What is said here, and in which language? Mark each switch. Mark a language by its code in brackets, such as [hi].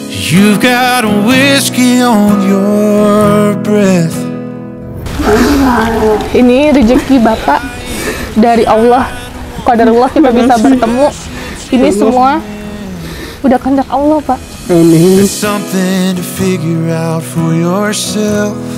[en] You've got whiskey on your breath. [id] Ini rezeki Bapak dari Allah. Qadarullah kita bisa bertemu. Ini semua udah kehendak Allah, Pak. Amin. [en] It's something to figure out for yourself.